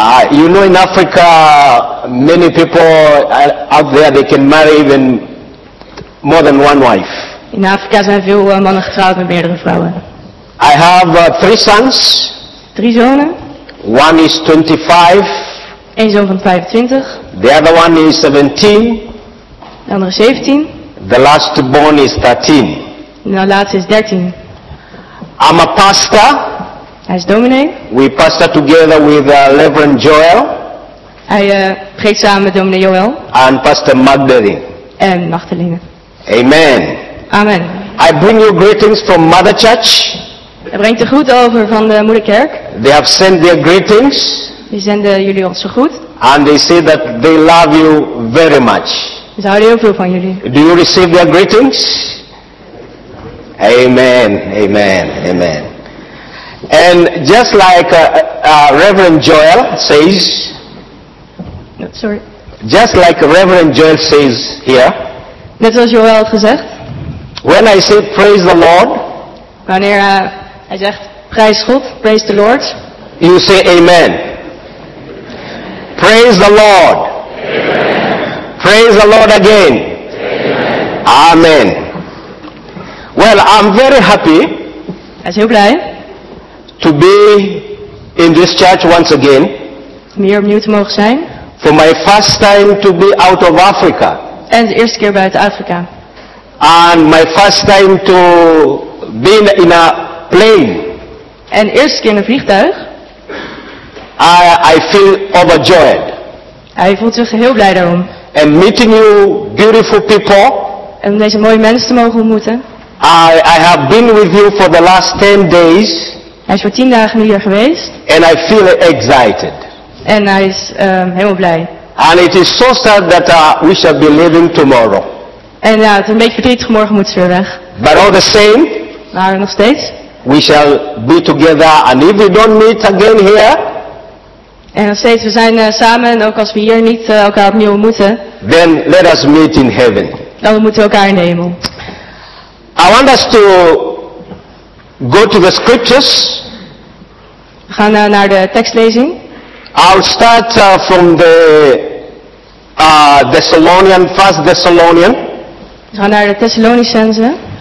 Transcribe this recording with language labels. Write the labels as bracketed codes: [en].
[en] You know, in Africa, many people out there, they can marry even more than one wife. [nl] In Afrika zijn veel mannen getrouwd met meerdere vrouwen. [en] I have three sons. [nl] Drie zonen. [en] One is 25. [nl] Eén zoon van 25. [en] The other one is 17. [nl] De andere 17. [en] The last born is 13. [nl] De laatste is 13. [en] I'm a pastor. [nl] Hij is dominee. [en] We pastor together with Reverend Joel. [nl] Hij preekt samen met dominee Joel. [en] And Pastor Magdalene. [nl] En Magdalene. [en] Amen. Amen. I bring you greetings from Mother Church. [nl] Hij brengt de groet over van de moederkerk. [en] They have sent their greetings. [nl] Die zenden jullie onze groet. [en] And they say that they love you very much. [nl] Ze houden heel veel van jullie. [en] Do you receive their greetings? Amen, amen, amen. And just like Reverend Joel says. Just like Reverend Joel says here. [nl] Net zoals Joel had gezegd. [en] When I say praise the Lord, [nl] wanneer hij zegt prijs God, [en] praise the Lord, you say amen. Praise the Lord. Amen. Praise the Lord again. Amen. Amen. Well, I'm very happy. [nl] Hij is heel blij. [en] To be in this church once again. [nl] Om hier opnieuw te mogen zijn. [en] For my first time to be out of Africa. [nl] En de eerste keer buiten Afrika. [en] And my first time to be in a plane. [nl] En eerste keer in een vliegtuig. [en] I feel overjoyed. [nl] Hij voelt zich heel blij daarom. [en] And meeting you beautiful people. [nl] En om deze mooie mensen te mogen ontmoeten. [en] I have been with you for the last 10 days. [nl] Hij is voor 10 dagen nu hier geweest. [en] And I feel excited. [nl] En hij is helemaal blij. [en] And it is so sad that we shall be leaving tomorrow. [nl] En ja, het is een beetje verdrietig, morgen moeten ze weer weg. [en] But all the same. [nl] Maar nog steeds. [en] We shall be together, and if we don't meet again here. [nl] En nog steeds, we zijn samen, en ook als we hier niet elkaar opnieuw ontmoeten. [en] Then let us meet in heaven. [nl] Dan moeten we elkaar in de hemel. [en] I want us to go to the scriptures. [nl] We gaan naar de tekstlezing. [en] I'll start from the Thessalonians, 1 Thessalonians. [nl] We gaan naar de Thessalonicenzen.